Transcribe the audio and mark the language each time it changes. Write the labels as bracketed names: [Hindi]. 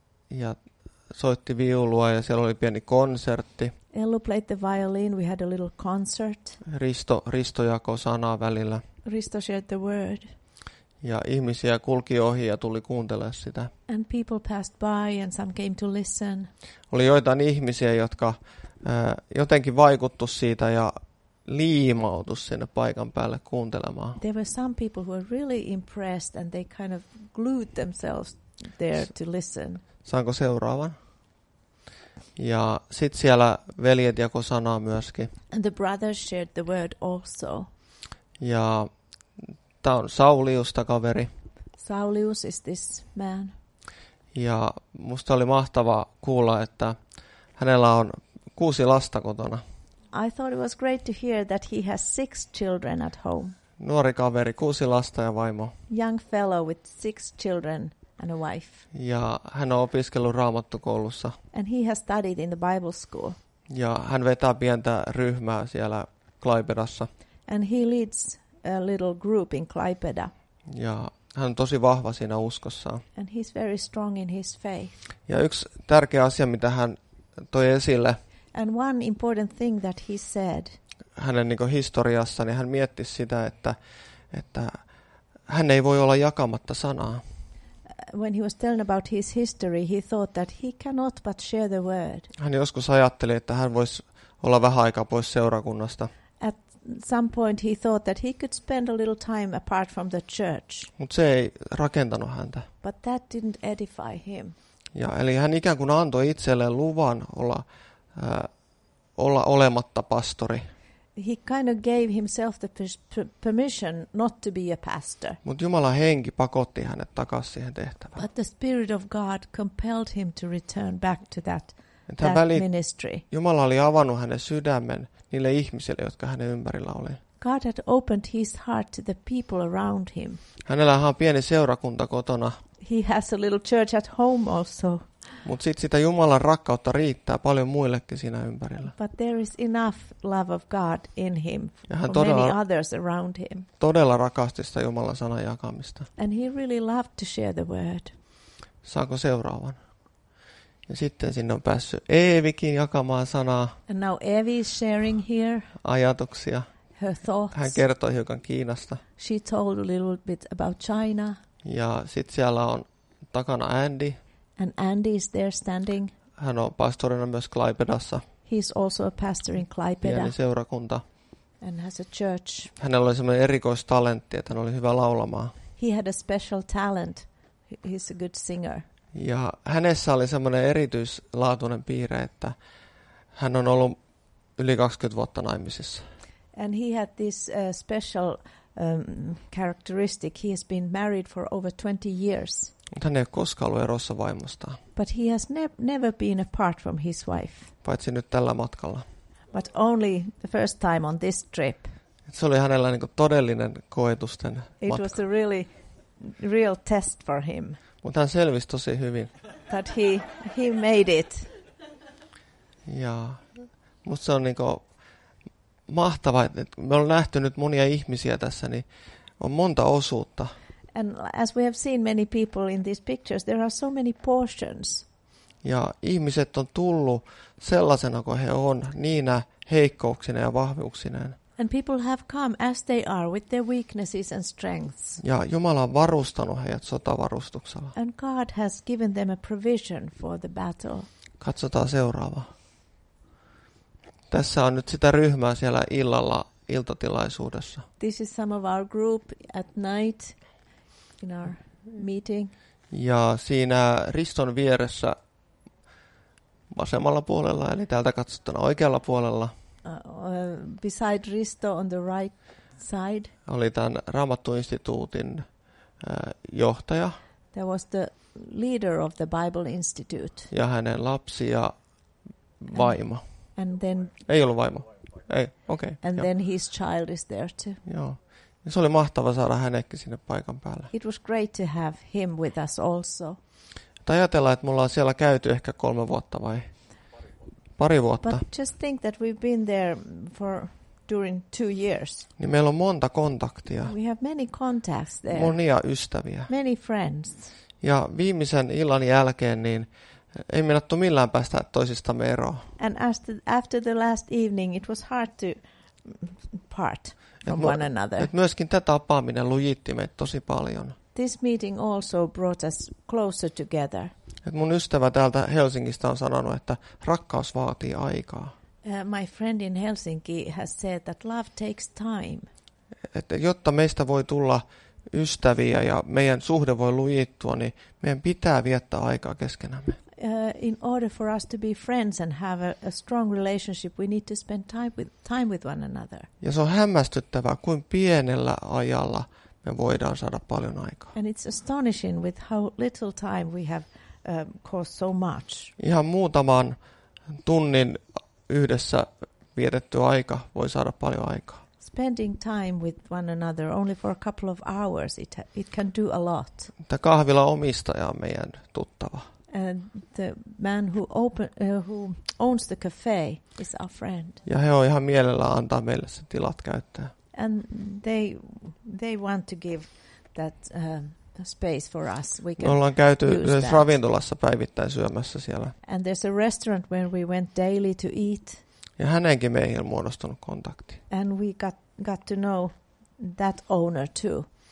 [Finnish] Ja soitti viulua ja siellä oli pieni konsertti. [English] Ellu played the violin, we had a little concert. [Finnish] Risto jakoi sanaa välillä. [English] Risto shared the word. [Finnish] Ja ihmisiä kulki ohi ja tuli kuuntelemaan sitä. [English] And people passed by and some came to listen. [Finnish] Oli joitain ihmisiä, jotka jotenkin vaikuttu siitä ja liimautu sinne paikan päälle kuuntelemaan. [English] There were some people who were really impressed and they kind of glued themselves there to listen. [Finnish] Saanko seuraavan? Ja sit siellä veljet jako sanaa myöskin. [English] And the brothers shared the word also. [Finnish] Ja tää on Sauliusta kaveri. [English] Saulius is this man. [Finnish] Ja musta oli mahtava kuulla, että hänellä on 6 lasta kotona. [English] I thought it was great to hear that he has 6 children at home. [Finnish] Nuori kaveri, 6 lasta ja vaimo. [English] Young fellow with 6 children. And a wife. [Finnish] Ja hän on opiskellut raamattukoulussa. [English] And he has studied in the Bible school. [Finnish] Ja hän vetää pientä ryhmää siellä Klaipedassa. [English] And he leads a little group in Klaipeda. [Finnish] Ja hän on tosi vahva siinä uskossaan. [English] And he's very strong in his faith. [Finnish] Ja yksi tärkeä asia, mitä hän toi esille. [English] And one important thing that he said. [Finnish] Hänen niin kuin historiassa, niin hän mietti sitä, että hän ei voi olla jakamatta sanaa. [English] When he was telling about his history, he thought that he cannot but share the word. [Finnish] Hän joskus ajatteli, että hän voisi olla vähän aikaa pois seurakunnasta. [English] At some point he thought that he could spend a little time apart from the church. [Finnish] Mut se ei rakentanut häntä. [English] But that didn't edify him. [Finnish] Ja eli hän ikään kuin antoi itselleen luvan olla olematta pastori. [English] He kind of gave himself the permission not to be a pastor. [Finnish] Mut Jumalan henki pakotti hänet takaisin siihen tehtävään. [English] But the Spirit of God compelled him to return back to that ministry. [Finnish] Jumala oli avannut hänen sydämen niille ihmisille, jotka hänen ympärillä oli. [English] God had opened his heart to the people around him. [Finnish] Hänellä on pieni seurakunta kotona. [English] He has a little church at home also. [Finnish] Mutta sitten sitä Jumalan rakkautta riittää paljon muillekin siinä ympärillä. [English] But there is enough love of God in him for many others around him. [Finnish] Todella rakasti sitä Jumalan sanan jakamista. [English] And he really loved to share the word. [Finnish] Saanko seuraavan? Ja sitten sinne on päässyt Eevikin jakamaan sanaa. [English] And now Eve is sharing here. [Finnish] Ajatuksia. [English] Her thoughts. [Finnish] Hän kertoi hiukan Kiinasta. [English] She told a little bit about China. [Finnish] Ja sitten siellä on takana Andy. [English] And Andy is there standing. [Finnish] Hän on pastorina myös Klaipedassa. [English] He's also a pastor in Klaipeda. [Finnish] Pieni seurakunta. [English] And has a church. [Finnish] Hänellä oli semmoinen erikoistalentti, että hän oli hyvä laulamaan. [English] He had a special talent. He's a good singer. [Finnish] Ja hänessä oli semmoinen erityislaatuinen piirre, että hän on ollut yli 20 vuotta naimisissa. [English] And he had this special characteristic. He has been married for over 20 years. [Finnish] Mutta hän ei ole koskaan ollut erossa vaimostaan. [English] But he has never been apart from his wife. [Finnish] Paitsi nyt tällä matkalla. [English] But only the first time on this trip. [Finnish] Et se oli hänellä niinku todellinen koetusten [English] It [Finnish] matka. [English] Was a really real test for him. [Finnish] Mutta hän selvisi tosi hyvin. [English] That he made it. [Finnish] Ja mutta se on niinku mahtava, että me ollaan nähty nyt monia ihmisiä tässä, niin on monta osuutta. [English] And as we have seen many people in these pictures, there are so many portions. [Finnish] Ja ihmiset on tullut sellaisena kuin he on, niinä heikkouksina ja vahvuuksineen. [English] And people have come as they are with their weaknesses and strengths. [Finnish] Ja Jumala on varustanut heidät sotavarustuksella. [English] And God has given them a provision for the battle. [Finnish] Katsotaan seuraava. Tässä on nyt sitä ryhmää siellä illalla iltatilaisuudessa. [English] This is some of our group at night in our meeting. [Finnish] Ja siinä Riston vieressä vasemmalla puolella, eli täältä katsottuna oikealla puolella. [English] Beside Risto on the right side. [Finnish] Oli tämän Raamattuinstituutin johtaja. [English] There was the leader of the Bible Institute. [Finnish] Ja hänen lapsi ja vaimo. [English] And then [Finnish] ei ollut vaimo. Ei, okei. Okay, [English] and jo. Then his child is there too. [Finnish] Joo. Ja se oli mahtava saada hänetkin sinne paikan päälle. [English] It was great to have him with us also. [Finnish] Tai ajatella, että mulla on siellä käyty ehkä 3 vuotta vai pari vuotta. [English] But just think that we've been there for during 2 years. [Finnish] Niin meillä on monta kontaktia. [English] We have many contacts there. [Finnish] Monia ystäviä. [English] Many friends. [Finnish] Ja viimeisen illan jälkeen niin ei meinattu millään päästä toisistamme eroon. [English] And after the last evening it was hard to part from one another. [Finnish] Et myöskin tätä tapaaminen lujitti meitä tosi paljon. [English] This meeting also brought us closer together. [Finnish] Et mun ystävä täältä Helsingistä on sanonut, että rakkaus vaatii aikaa. [English] My friend in Helsinki has said that love takes time. [Finnish] Et jotta meistä voi tulla ystäviä ja meidän suhde voi lujittua, niin meidän pitää viettää aikaa keskenämme. [English] In order for us to be friends and have a strong relationship, we need to spend time with one another. [Finnish] Ja se on hämmästyttävää, kuin pienellä ajalla me voidaan saada paljon aikaa. [English] And it's astonishing with how little time we have caused so much. [Finnish] Ihan muutaman tunnin yhdessä vietetty aika voi saada paljon aikaa. [English] Spending time with one another only for a couple of hours, it can do a lot. [Finnish] Tämä kahvila omistaja on meidän tuttava. [English] And the man who owns the cafe is our friend. [Finnish] Ja he on ihan mielellään antaa meille sen tilat käyttää. [English] And they want to give that space for us. We can [Finnish] Me ollaan käyty ravintolassa päivittäin syömässä siellä. [English] And there's a restaurant where we went daily to eat. [Finnish] Ja hänenkin meihin on muodostunut kontakti. [English] And we got to know that owner too.